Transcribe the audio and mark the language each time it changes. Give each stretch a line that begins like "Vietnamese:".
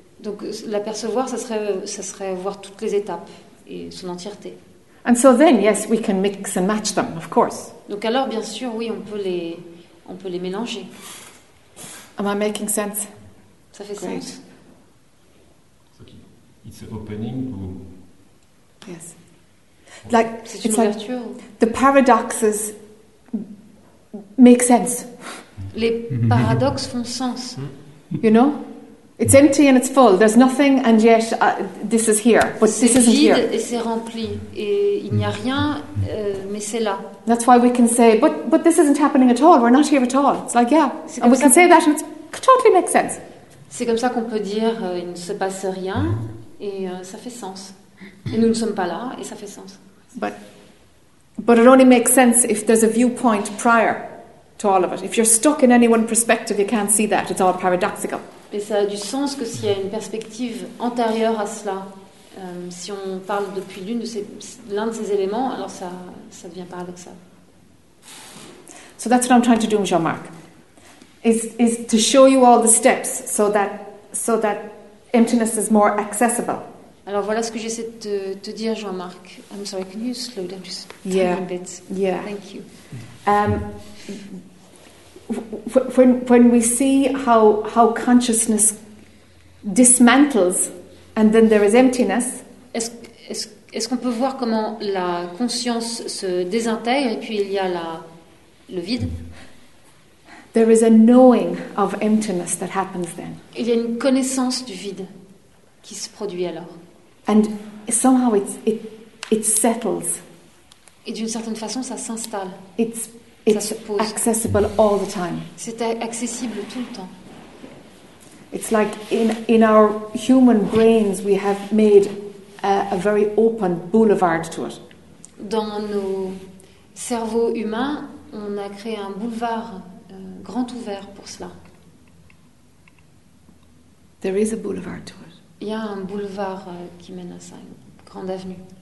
French: Donc l'apercevoir, ça serait voir toutes les étapes et son entièreté.
English: And so then, yes, we can mix and match them, of course.
French: Donc alors, bien sûr, oui, on peut les mélanger.
English: Am I making sense?
French: Ça fait
English: Great.
French: Sens.
English: So it's opening to. Yes. Like
French: c'est une ouverture.
English: Like the paradoxes make sense.
French: Les paradoxes font sens.
English: You know? It's empty and it's full. There's nothing and yet this is here. But
French: c'est
English: this isn't
French: vide
English: here.
French: Et c'est rempli. Et il n'y a rien, mais c'est là.
English: That's why we can say, but this isn't happening at all. We're not here at all. It's like, yeah.
French: C'est
English: and we can say that and it totally makes sense.
French: C'est comme ça qu'on peut dire, il ne se passe rien et ça fait sens. Et nous ne sommes pas là et ça fait sens.
English: But it only makes sense if there's a viewpoint prior to all of it. If you're stuck in any one perspective, you can't see that. It's all paradoxical.
French: Mais ça a du sens que s'il y a une perspective antérieure à cela, si on parle depuis l'un de ces éléments, alors ça devient paradoxal.
English: So that's what I'm trying to do, Jean-Marc, is to show you all the steps so that emptiness is more accessible.
French: Alors voilà ce que j'essaie de te dire, Jean-Marc.
English: I'm sorry, can you slow down just yeah. a bit? Yeah. Thank you. When we see how consciousness dismantles and then there is emptiness,
French: est-ce qu'on peut voir comment la conscience se désintègre et puis il y a le vide?
English: There is a knowing of emptiness that happens then.
French: Il y a une connaissance du vide qui se produit alors.
English: And somehow it settles.
French: Et d'une certaine façon ça s'installe.
English: It's accessible all the time.
French: C'est accessible tout le temps.
English: It's like in our human brains we have made a very open boulevard to it.
French: Dans nos cerveaux humains, on a créé un boulevard grand ouvert pour cela.
English: There is a boulevard to it.
French: Il y a un boulevard qui mène à ça, une grande avenue.